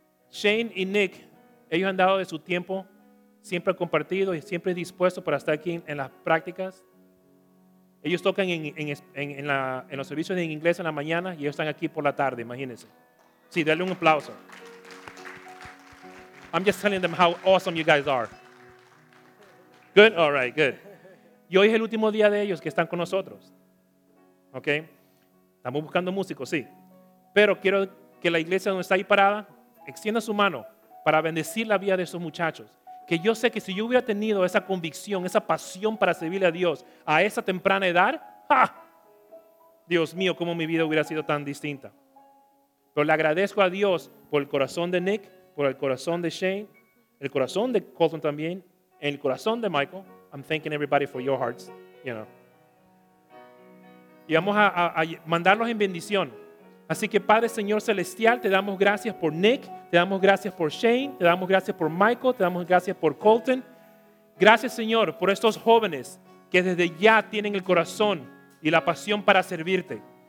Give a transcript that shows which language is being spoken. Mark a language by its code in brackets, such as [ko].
[es] Shane y Nick, ellos han dado de su tiempo, siempre han compartido y siempre dispuesto para estar aquí en las prácticas. Ellos tocan en los servicios en inglés en la mañana y ellos están aquí por la tarde, imagínense. Sí, denle un aplauso. [en] I'm just telling them how awesome you guys are. Good? All right, good. [es] Y hoy es el último día de ellos que están con nosotros. Okay? Estamos buscando músicos, sí. Pero quiero que la iglesia donde está ahí parada extienda su mano para bendecir la vida de esos muchachos. Que yo sé que si yo hubiera tenido esa convicción, esa pasión para servirle a Dios a esa temprana edad, ¡ja! Dios mío, cómo mi vida hubiera sido tan distinta. Pero le agradezco a Dios por el corazón de Nick, por el corazón de Shane, el corazón de Colton también, el corazón de Michael. [en] I'm thanking everybody for your hearts, you know. [es] Y vamos a mandarlos en bendición. Así que Padre Señor Celestial, te damos gracias por Nick, te damos gracias por Shane, te damos gracias por Michael, te damos gracias por Colton. Gracias Señor por estos jóvenes que desde ya tienen el corazón y la pasión para servirte.